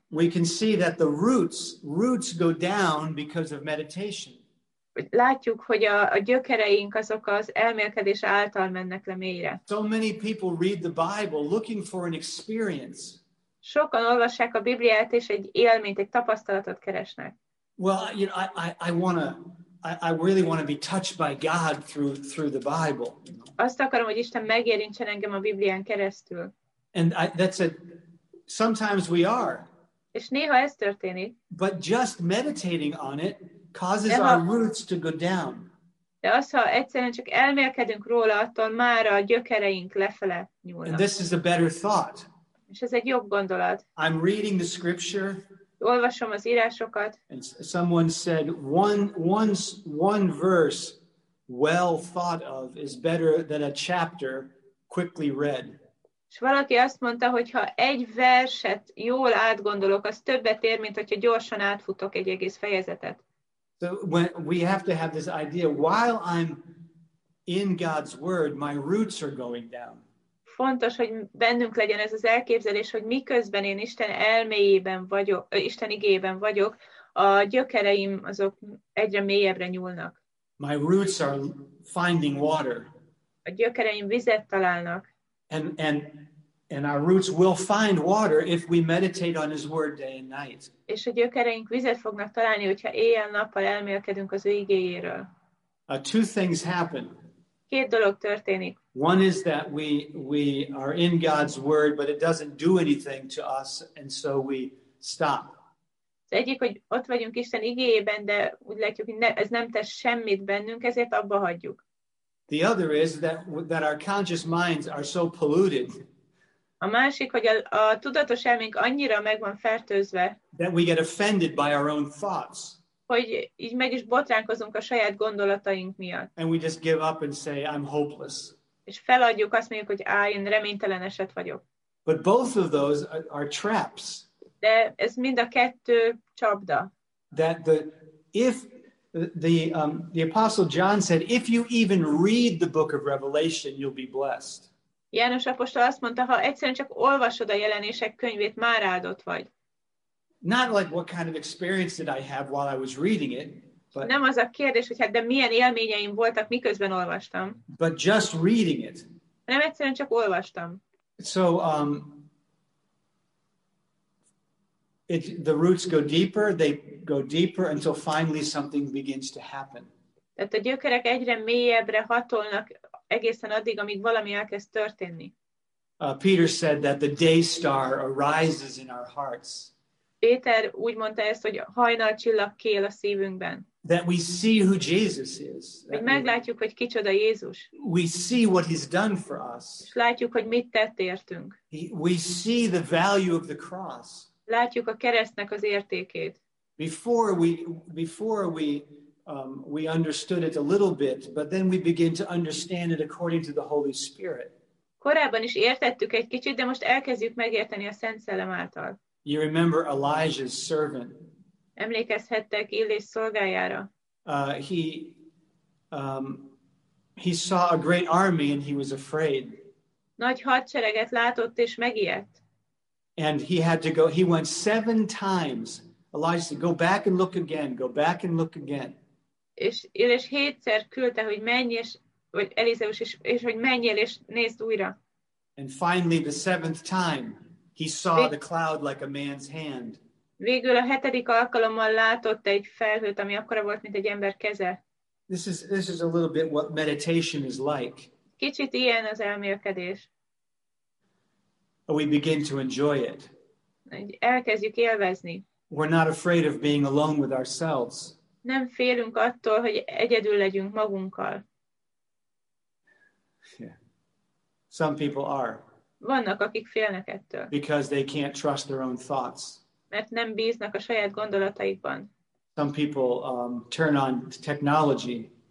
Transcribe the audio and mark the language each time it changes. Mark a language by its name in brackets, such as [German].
[English] we can see that the roots go down because of meditation. [Hungarian] Látjuk, hogy a gyökereink azok az elmélkedés által mennek le mélyre. [English] So many people read the Bible looking for an experience. [Hungarian] Sokan olvassák a Bibliát és egy élményt, egy tapasztalatot keresnek. [English] Well, you know, I really want to be touched by God through the Bible. [Hungarian] Azt akarom, hogy Isten megérintsen engem a Biblián keresztül. [English] And sometimes we are. [Hungarian] És néha ez történik. [English] But just meditating on it causes our roots to go down. [Hungarian] De az, ha egyszerűen csak elmélkedünk róla, attól már a gyökereink lefele nyúlnak. [English] And this is a better thought. [Hungarian] És ez egy jobb gondolat. [English] I'm reading the scripture. [Hungarian] Olvasom az írásokat. [English] And someone said one verse well thought of is better than a chapter quickly read. [Hungarian] És valaki azt mondta, hogy ha egy verset jól átgondolok, az többet ér, mint hogyha gyorsan átfutok egy egész fejezetet. [English] So when we have to have this idea, while I'm in God's word, my roots are going down. [Hungarian] Fontos, hogy bennünk legyen ez az elképzelés, hogy miközben én Isten elméjében vagyok, Isten igében vagyok, a gyökereim azok egyre mélyebbre nyúlnak. [English] My roots are finding water. [Hungarian] A gyökereim vizet találnak. [English] And our roots will find water if we meditate on his word day and night. [Hungarian] És a gyökereink vizet fognak találni, hogyha éjjel-nappal elmélkedünk az ő igéjéről. [English] Two things happen. [Hungarian] Két dolog történik. [English] One is that we are in God's word, but it doesn't do anything to us, and so we stop. [Hungarian] Az egyik, hogy ott vagyunk Isten igéjében, de úgy látjuk, hogy ez nem tesz semmit bennünk, ezért abba hagyjuk. [English] The other is that our conscious minds are so polluted. [Hungarian] A másik, hogy a tudatos elménk annyira meg van fertőzve, [English] that we get offended by our own thoughts. [Hungarian] Hogy így meg is botránkozunk a saját gondolataink miatt. [English] And we just give up and say, I'm hopeless. [Hungarian] És feladjuk, azt mondjuk, hogy én reménytelen eset vagyok. [English] But both of those are traps. [Hungarian] De ez mind a kettő csapda. [English] That the Apostle John said, if you even read the book of Revelation, you'll be blessed. [Hungarian] János apostol azt mondta, ha egyszerűen csak olvasod a jelenések könyvét, már áldott vagy. [English] Not like what kind of experience did I have while I was reading it, but [Hungarian] nem az a kérdés, hogy hát de milyen élményeim voltak miközben olvastam. [English] But just reading it. [Hungarian] Nem egyszerűen csak olvastam. [English] So the roots go deeper, they go deeper until finally something begins to happen. [Hungarian] Tehát a gyökerek egyre mélyebbre hatolnak egészen addig, amíg valami elkezd történni. [English] Peter said that the day star arises in our hearts. [Hungarian] Péter úgy mondta ezt, hogy hajnal csillag kél a szívünkben. [English] That we see who Jesus is. [Hungarian] Hogy meglátjuk, hogy kicsoda Jézus. [English] We see what he's done for us. [Hungarian] És látjuk, hogy mit tett értünk. [English] We see the value of the cross. [Hungarian] Látjuk a keresztnek az értékét. [English] Before we understood it a little bit, but then we begin to understand it according to the Holy Spirit. [Hungarian] Korábban is értettük egy kicsit, de most elkezdjük megérteni a Szent Szellem által. [English] You remember Elijah's servant. [Hungarian] Emlékezhettek Illés szolgájára. [English] He saw a great army and he was afraid. [Hungarian] Nagy hadsereget látott és megijedt. [English] And he had to go, he went seven times Elijah said, go back and look again, go back and look again. [Hungarian] És Élés hétszer küldte, hogy menj, és, vagy Elizeus is, és hogy menjél, és nézd újra. [English] And finally, the seventh time, he saw the cloud like a man's hand. [Hungarian] Végül a hetedik alkalommal látott egy felhőt, ami akkora volt, mint egy ember keze. [English] This is a little bit what meditation is like. [Hungarian] Kicsit ilyen az elmélkedés. [English] We begin to enjoy it. [Hungarian] Elkezdjük élvezni. [English] We're not afraid of being alone with ourselves. [Hungarian] Nem félünk attól, hogy egyedül legyünk magunkkal. [English] Yeah. Some people are. [Hungarian] Vannak, akik félnek ettől. [English] Because they can't trust their own thoughts. [Hungarian] Mert nem bíznak a saját gondolataikban. [English] Some people turn on technology.